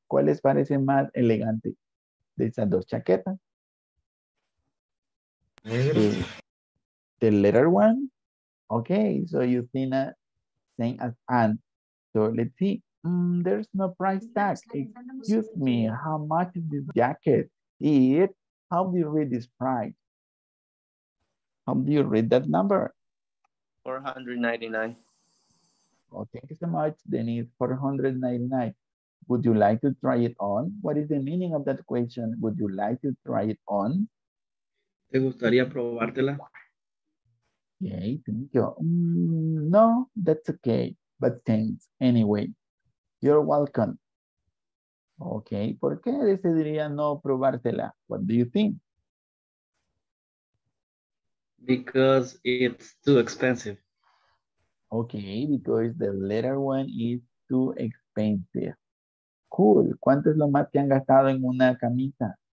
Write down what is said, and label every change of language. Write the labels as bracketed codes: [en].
[es] ¿Cuál les parece más elegante de esas dos chaquetas? [en] The letter one? Okay, so you think that same as Anne. So let's see. There's no price tag. Excuse me, how much is this jacket? It, how do you read this price? How do you read that number? $499. Oh, thank you so much. Then it's $499. Would you like to try it on? What is the meaning of that question? Would you like to try it on? [es] ¿Te gustaría probártela? [en] Okay, thank you. No, that's okay. But thanks, anyway. You're welcome. Okay, [es] ¿por qué decidiría no probártela? [en] What do you think? Because it's too expensive. Okay, because the letter one is too expensive. Cool. [es] ¿Cuánto es lo más que han gastado en una camisa?